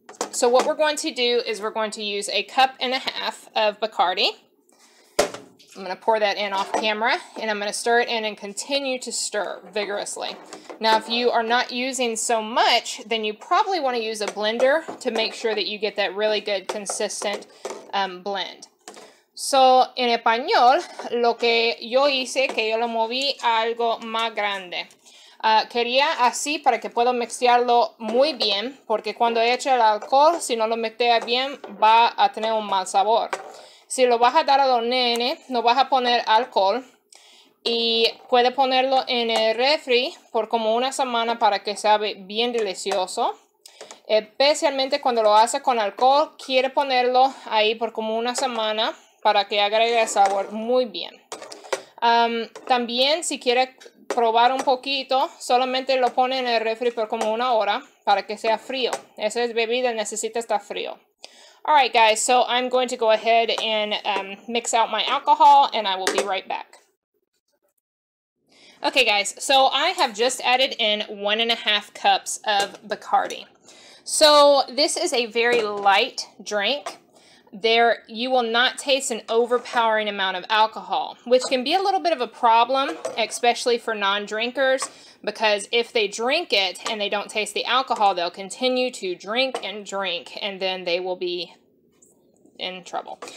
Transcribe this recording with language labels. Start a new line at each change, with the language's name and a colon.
English: So what we're going to do is we're going to use 1.5 cups of Bacardi. I'm going to pour that in off camera, and I'm going to stir it in and continue to stir vigorously. Now, if you are not using so much, then you probably want to use a blender to make sure that you get that really good, consistent blend.
Spanish: So, en español, lo que yo hice, que yo lo moví algo más grande. Quería así para que pueda mixearlo muy bien, porque cuando eche el alcohol, si no lo metea bien, va a tener un mal sabor. Si lo vas a dar a los nenes, no vas a poner alcohol. Y puede ponerlo en el refri por como una semana para que sabe bien delicioso. Especialmente cuando lo hace con alcohol, quiere ponerlo ahí por como una semana para que agregue el sabor muy bien. También si quiere probar un poquito, solamente lo pone en el refri por como una hora para que sea frío. Esa es bebida, necesita estar frío.
English: All right, guys, so I'm going to go ahead and mix out my alcohol, and I will be right back. Okay, guys, so I have just added in 1.5 cups of Bacardi. So this is a very light drink. There, you will not taste an overpowering amount of alcohol, which can be a little bit of a problem, especially for non-drinkers, because if they drink it and they don't taste the alcohol, they'll continue to drink and drink, and then they will be in trouble.